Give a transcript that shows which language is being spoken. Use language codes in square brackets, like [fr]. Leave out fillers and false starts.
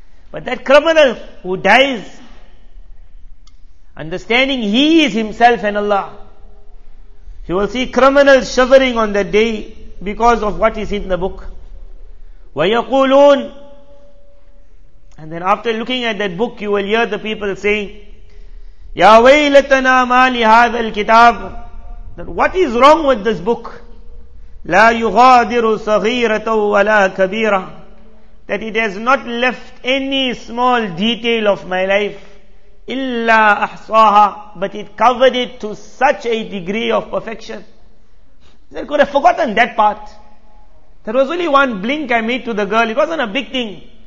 [en] But that criminal who dies, understanding he is himself and Allah, he will see criminals shivering on that day because of what is in the book. [ar] وَيَقُولُونَ. [en] And then after looking at that book, you will hear the people saying, [ar] "يَا وَيْلَتَنَا مَا لِهَذَا الْكِتَابِ." [en] That what is wrong with this book? [ar] لا يغادر صغيرة ولا كبيرة. [en] That it has not left any small detail of my life. [ar] إلا أحصاها. [en] But it covered it to such a degree of perfection. They could have forgotten that part. There was only one blink I made to the girl. It wasn't a big thing.